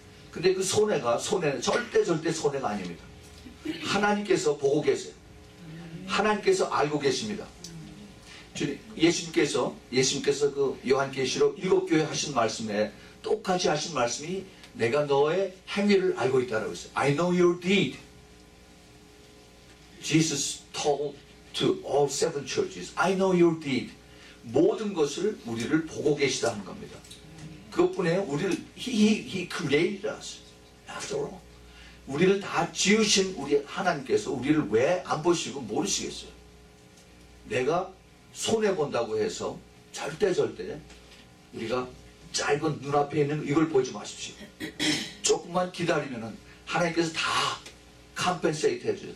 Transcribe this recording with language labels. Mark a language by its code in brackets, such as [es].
[ko] 근데 그 손해는 절대 손해가 아닙니다. 하나님께서 보고 계세요. 하나님께서 알고 계십니다. 주님, 예수님께서 그 요한계시록 일곱 교회 하신 말씀에 똑같이 하신 말씀이 내가 너의 행위를 알고 있다라고 했어요. [en] I know your deed. Jesus told to all seven churches, I know your deed. [ko] 모든 것을 우리를 보고 계시다는 겁니다. 그것뿐에 우리를 [en] he created us after all. [ko] 우리를 다 지으신 우리 하나님께서 우리를 왜 안 보시고 모르시겠어요? 내가 손해본다고 해서 절대 우리가 짧은 눈앞에 있는 이걸 보지 마십시오. 조금만 기다리면은 하나님께서 다 컴펜세이트 해주세요.